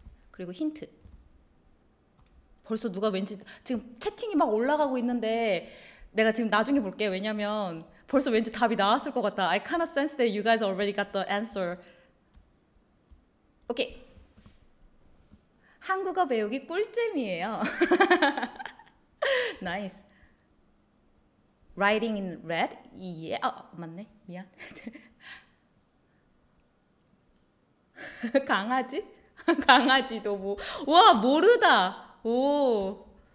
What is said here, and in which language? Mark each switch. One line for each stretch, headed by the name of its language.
Korean: 그리고 힌트. 벌써 누가 왠지 지금 채팅이 막 올라가고 있는데 내가 지금 나중에 볼게요. 왜냐면 벌써 왠지 답이 나왔을 것 같다.
English: I kind of sense that you guys already got the answer.
Korean: 오케이. 한국어 배우기 꿀잼이에요. 나이스.
English: Writing in red?
Korean: 예. 맞네. 미안. 강아지? 강아지도 뭐. 와, 모르다. 오.